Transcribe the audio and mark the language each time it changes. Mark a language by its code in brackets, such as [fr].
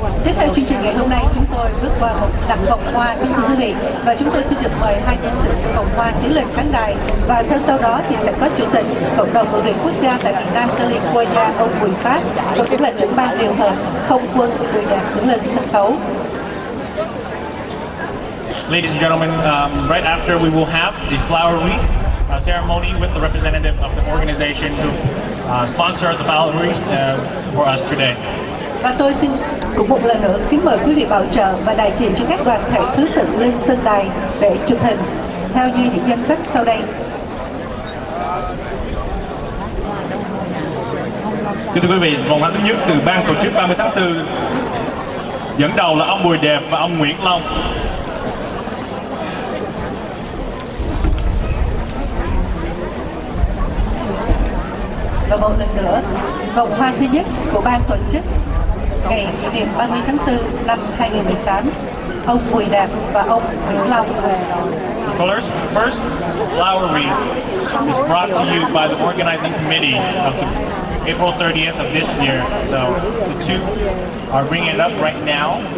[vi] Tiếp theo chương trình ngày hôm nay, chúng tôi bước qua một đặt vòng hoa với quý vị và chúng tôi xin được mời hai nhân sự của vòng hoa tiến lên khán đài và theo sau đó thì sẽ có chủ tịch cộng đồng người Việt quốc gia tại Việt Nam California ông Bùi Phát và cũng là trưởng ban điều hành không quân người đàn tiến lên sân khấu. [en] Ladies and gentlemen, right after we will have the flower wreath ceremony with the representative of the organization who sponsor the flower wreath for us today. [vi] Và tôi xin cùng một lần nữa kính mời quý vị bảo trợ và đại diện cho các đoàn thể thứ tự lên sân đài để chụp hình theo như những danh sách sau đây. Kính thưa quý vị, vòng hoa thứ nhất từ ban tổ chức 30 tháng 4 dẫn đầu là ông Bùi Đẹp và ông Nguyễn Long. Và một lần nữa, vòng hoa thứ nhất của ban tổ chức ngày kỷ niệm 30 tháng 4 năm 2018, ông Bùi Đạt và ông Nguyễn Long. [en] The first flower wreath is brought to you by the organizing committee of the April 30th of this year. So the two are bringing it up right now.